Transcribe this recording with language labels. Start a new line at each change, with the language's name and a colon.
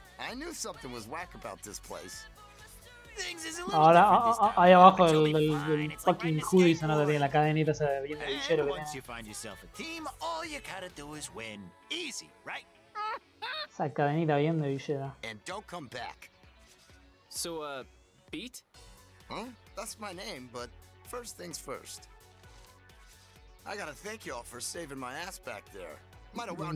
English: I knew something was whack about this place.
Spanish: Ahora, ahí abajo el fucking hoodie se nota bien, la cadenita se ve bien el chero.
English: Once you find yourself a team, all you gotta do is win. Easy, right?
Spanish: Esa cadenita bien de villera.
English: And don't come back. So, Beat? Huh? That's my name, but first things first. I gotta thank y'all for saving my ass back there. Might have wound